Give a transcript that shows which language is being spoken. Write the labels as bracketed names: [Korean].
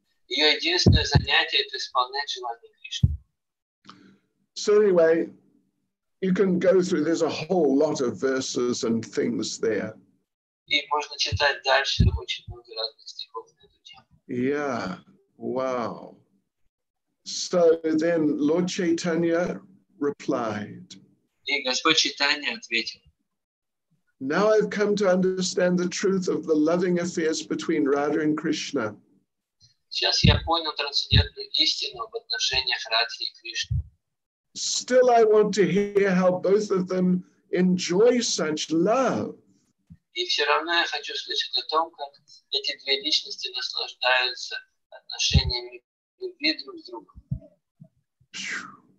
[Russian] Ее единственное занятие — это исполнять желания Кришны. [English] So anyway, you can go through. There's a whole lot of verses and things there. [Russian] И можно читать дальше очень много разных стихов на эту тему. [English] Yeah, wow. So then, Lord Chaitanya replied. [Russian] И Господь Чайтанья ответил. [English] Now I've come to understand the truth of the loving affairs between Radha and Krishna. [Russian] Сейчас я понял трансцендентную истину об отношениях Радхи и Кришны. [English] Still I want to hear how both of them enjoy such love. [Russian] И все равно я хочу слышать о том, как эти две личности наслаждаются отношениями любви друг с другом.